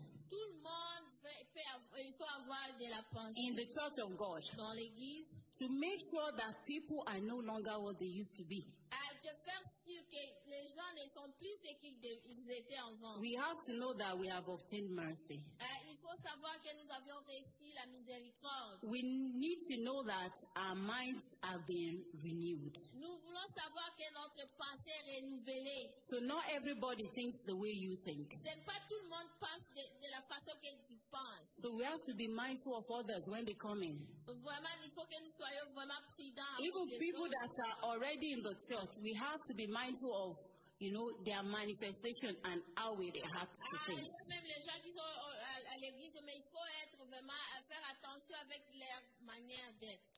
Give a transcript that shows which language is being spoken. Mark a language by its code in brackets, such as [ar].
[fr] Tout le monde faut avoir de la pensée. [en] In the church of God. [fr] Dans l'église. [en] To make sure that people are no longer what they used to be. [fr] Je faire sûr que les gens ne sont plus ce qu'ils étaient avant. [en] We have to know that we have obtained mercy. [fr] Il faut savoir que nous avions reçu la miséricorde. [en] We need to know that our minds have been renewed. [fr] Nous voulons savoir que notre pensée est renouvelée. [en] So not everybody thinks the way you think. [fr] C'est pas tout le monde pense de la façon que tu penses. [en] So we have to be mindful of others when they come in. [fr] Vraiment, il faut que nous soyons vraiment prudents. [en] Even people that are already in the church, we have to be mindful of, you know, their manifestation and how we react to things. [fr] Même les gens qui sont à l'église, mais il faut être vraiment faire attention avec leur manière d'être.